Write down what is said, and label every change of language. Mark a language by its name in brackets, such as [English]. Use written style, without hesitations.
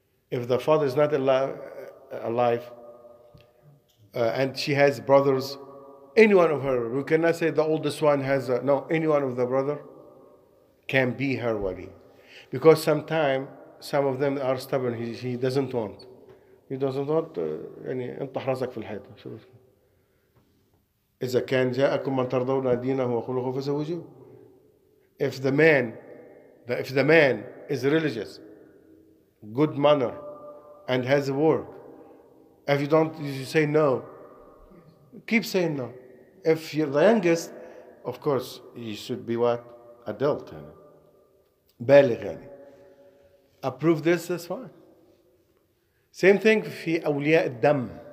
[English] If the father is not alive, and she has brothers, any one of her, we cannot say the oldest one has, any one of the brother can be her wali. Because sometimes, some of them are stubborn, he doesn't want. He doesn't want, [Arabic] انطح رأسك في الحيط. إذا كان جاءكم من ترضون دينه وخلقه فزوجوه. [English] If the man is religious, good manner, and has work, if you don't, you say no, keep saying no. If you're the youngest, of course, you should be what? Adult. بالغ. Approve this, that's fine. Same thing [Arabic] في أولياء الدم.